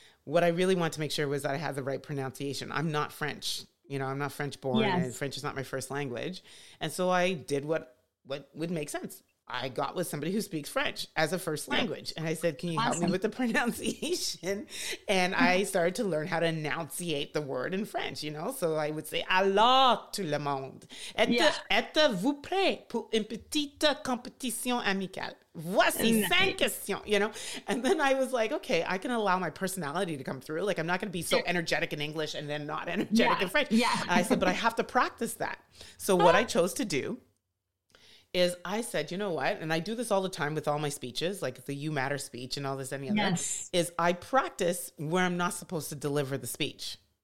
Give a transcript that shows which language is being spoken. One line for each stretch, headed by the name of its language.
English: What I really wanted to make sure was that I had the right pronunciation. I'm not French, you know, I'm not French born, and French is not my first language. And so I did what would make sense. I got with somebody who speaks French as a first language. And I said, can you help me with the pronunciation? And I started to learn how to enunciate the word in French, you know?
French: So I would say, alors tout le monde, êtes vous prêt pour une petite compétition amicale? Voici cinq questions,
English: you know? And then I was like, okay, I can allow my personality to come through. Like, I'm not going to be so energetic in English and then not energetic in French. I said, but I have to practice that. So what I chose to do is I said, you know what, and I do this all the time with all my speeches, like the You Matter speech and all this, any other, is I practice where I'm not supposed to deliver the speech.